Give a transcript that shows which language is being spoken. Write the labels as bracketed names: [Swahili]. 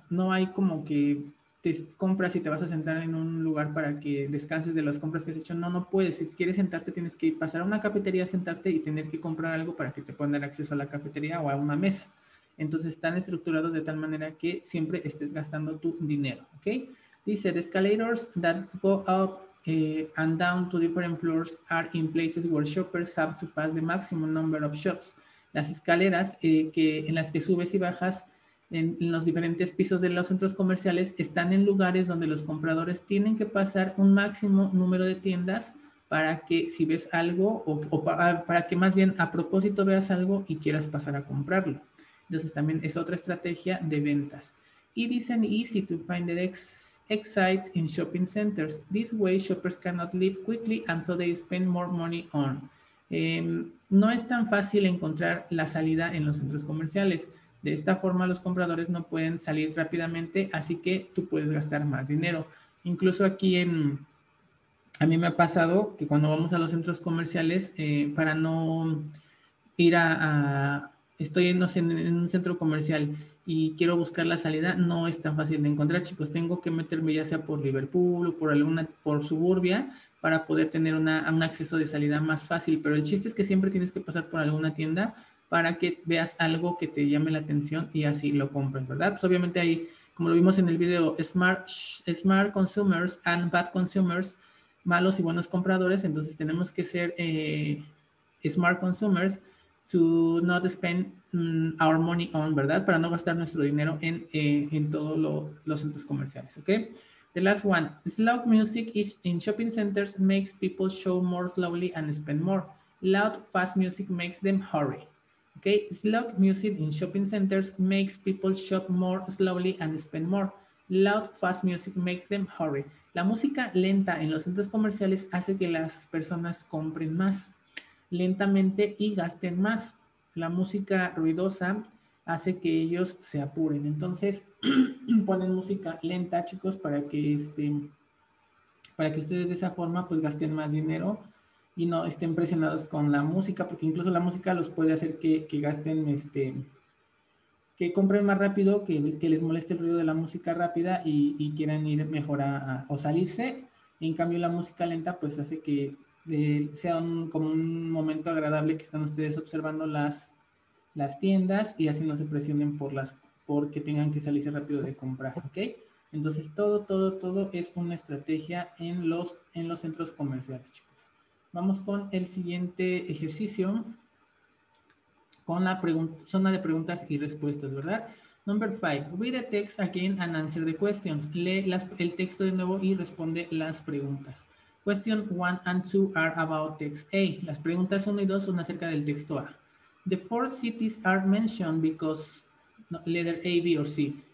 [Spanish] No hay como que te compras y te vas a sentar en un lugar para que descanses de las compras que has hecho. No puedes. Si quieres sentarte, tienes que pasar a una cafetería, sentarte y tener que comprar algo para que te puedan dar acceso a la cafetería o a una mesa. Entonces, están estructurados de tal manera que siempre estés gastando tu dinero, ¿ok? [English] Dice, the escalators that go up and down to different floors are in places where shoppers have to pass the maximum number of shops. [Spanish] Las escaleras en las que subes y bajas en los diferentes pisos de los centros comerciales están en lugares donde los compradores tienen que pasar un máximo número de tiendas para que si ves algo para que más bien a propósito veas algo y quieras pasar a comprarlo. Entonces también es otra estrategia de ventas. [English] It isn't easy to find the exit in shopping centers. This way shoppers cannot leave quickly and so they spend more money on. [Spanish] No es tan fácil encontrar la salida en los centros comerciales. De esta forma, los compradores no pueden salir rápidamente, así que tú puedes gastar más dinero. Incluso aquí a mí me ha pasado que cuando vamos a los centros comerciales, para no ir en un centro comercial y quiero buscar la salida, no es tan fácil de encontrar, chicos. Tengo que meterme ya sea por Liverpool o por Suburbia para poder tener un acceso de salida más fácil. Pero el chiste es que siempre tienes que pasar por alguna tienda para que veas algo que te llame la atención y así lo compres, ¿verdad? Pues obviamente ahí, como lo vimos en el video, [English] smart consumers and bad consumers, [Spanish] malos y buenos compradores. Entonces tenemos que ser [English] smart consumers to not spend our money on, ¿verdad? [Spanish] Para no gastar nuestro dinero en todos los centros comerciales, ¿ok? [English] The last one, slow music is in shopping centers makes people show more slowly and spend more. Loud, fast music makes them hurry. Okay, slow music in shopping centers makes people shop more slowly and spend more. Loud, fast music makes them hurry. [Spanish] La música lenta en los centros comerciales hace que las personas compren más lentamente y gasten más. La música ruidosa hace que ellos se apuren. Entonces, ponen música lenta, chicos, para que ustedes de esa forma pues gasten más dinero y no estén presionados con la música, porque incluso la música los puede hacer que gasten, que compren más rápido, que les moleste el ruido de la música rápida y quieran ir mejor o salirse. En cambio, la música lenta pues hace que sea como un momento agradable que están ustedes observando las tiendas y así no se presionen porque tengan que salirse rápido de comprar, ¿ok? Entonces todo es una estrategia en los centros comerciales, chicos. Vamos con el siguiente ejercicio, con la zona de preguntas y respuestas, ¿verdad? [English] Number 5, read the text again and answer the questions. [Spanish] Lee el texto de nuevo y responde las preguntas. [English] Question 1 and 2 are about text A. [Spanish] Las preguntas 1 y 2 son acerca del texto A. [English] The four cities are mentioned because letter A, B or C.